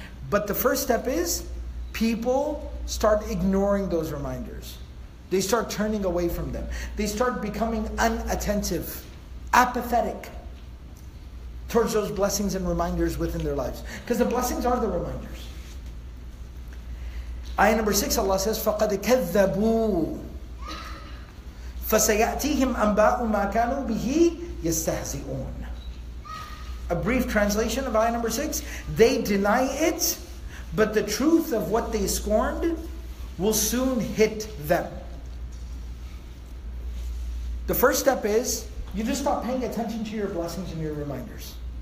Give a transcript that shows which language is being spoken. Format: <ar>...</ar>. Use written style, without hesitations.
<en>But the first step is, people start ignoring those reminders. They start turning away from them. They start becoming unattentive, apathetic towards those blessings and reminders within their lives. Because the blessings are the reminders. Ayah number 6, Allah says,</en> <ar>فَقَدْ كَذَّبُوا فَسَيَأْتِيهِمْ أَنْبَاءُ مَا كَانُوا بِهِ يَسْتَهْزِئُونَ.</ar> <en>A brief translation of ayah number 6, they deny it, but the truth of what they scorned will soon hit them. The first step is, you just stop paying attention to your blessings and your reminders.</en>